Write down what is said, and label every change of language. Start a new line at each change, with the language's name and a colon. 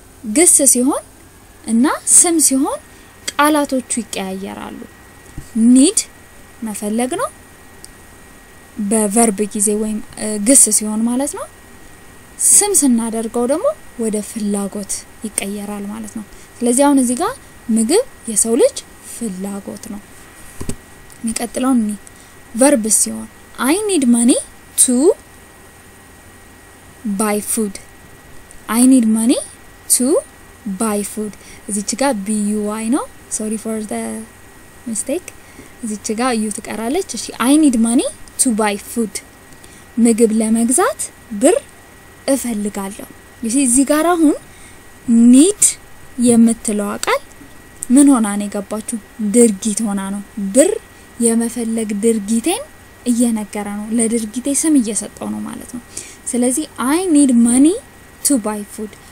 Amharic: ግስ ሲሆን እና ስም ሲሆን ቃላቶቹ ይቀያየራሉ። ኒድ መፈለግ ነው በቨርብ ጊዜ ወይም ግስ ሲሆን ማለት ነው። ስም ስናደርገው ደግሞ ወደ ፍላጎት ይቀየራል ማለት ነው። ስለዚህ አሁን እዚህ ጋር ምግብ የሰው ልጅ ፍላጎት ነው። የሚቀጥለው ኒ ቨርብ ሲሆን
English: I need money to buy food. I need money to buy food.
Amharic: እዚች ጋር B U Y ነው.
English: Sorry for the mistake.
Amharic: እዚች ጋር U ትቀራለች. እሺ
English: I need money to buy food.
Amharic: ምግብ ለመግዛት ብር እፈልጋለሁ. እሺ እዚህ ጋር አሁን need የምትለው አቃል ምን ሆና ነው የገባችሁ? ድርጊት ሆና ነው. ብር የመፈለግ ድርጊቴን እየነገረ ነው። ለድርጊቴ ስም እየሰጠው ነው ማለት ነው። ስለዚህ
English: I need money to buy food.